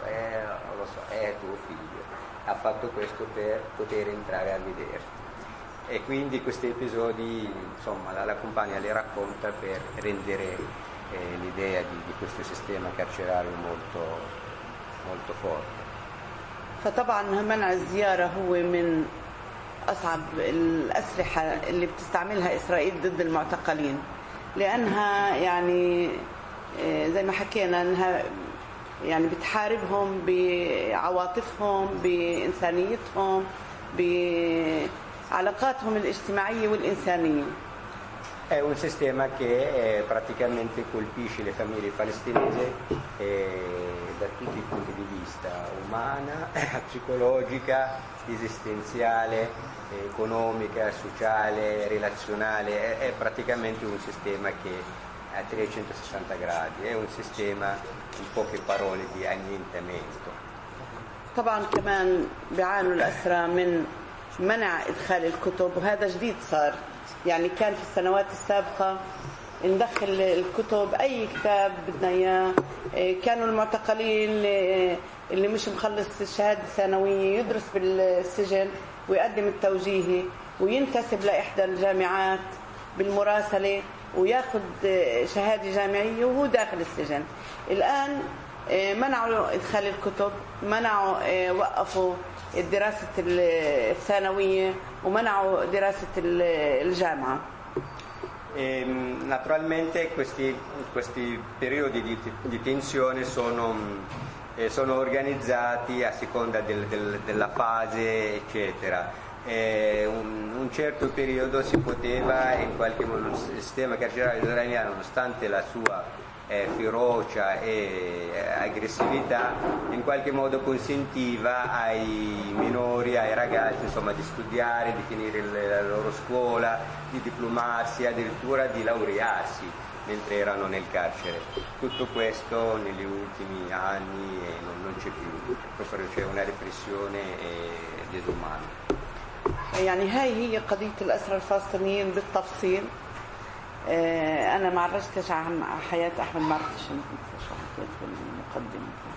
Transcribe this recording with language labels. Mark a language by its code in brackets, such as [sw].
[it] Non lo so, è tuo figlio, ha fatto questo per poter entrare a vederti. E quindi questi episodi, insomma, la compagna li racconta per rendere l'idea di questo sistema carcerario molto, molto forte. [ar] فطبعا منع الزيارة هو من أصعب الأسلحة اللي بتستعملها إسرائيل ضد المعتقلين، لأنها يعني زي ما حكينا أنها يعني بتحاربهم بعواطفهم، بإنسانيتهم، بعلاقاتهم الاجتماعية والإنسانية. [it] È un sistema che praticamente colpisce le famiglie palestinesi da tutti i punti di vista, umana, psicologica, esistenziale, economica, sociale, relazionale, è praticamente un sistema che a 360 gradi, è un sistema in poche parole di annientamento. [ar] يعني كان في السنوات السابقة ندخل الكتب أي كتاب بدنا إياه، كانوا المعتقلين اللي مش مخلص الشهادة الثانوية يدرس بالسجن ويقدم التوجيهي وينتسب لإحدى الجامعات بالمراسلة وياخذ شهادة جامعية وهو داخل السجن. الآن منعوا إدخال الكتب، منعوا وقفوا الدراسة الثانوية ومنعوا دراسة الجامعة. [it] Naturalmente questi periodi di tensione sono organizzati a seconda della fase, eccetera. Un certo periodo si poteva in qualche modo il sistema carcerario israeliano, nonostante la sua ferocia e aggressività, in qualche modo consentiva ai minori, ai ragazzi, insomma, di studiare, di finire la loro scuola, di diplomarsi, addirittura di laurearsi mentre erano nel carcere. Tutto questo negli ultimi anni non c'è più, proprio c'è una repressione disumana. [ar] يعني هاي هي قضية الأسرى الفلسطينيين بالتفصيل. أنا ما عرجتش عن حياة أحمد مرتش شو حكيت في المقدمة.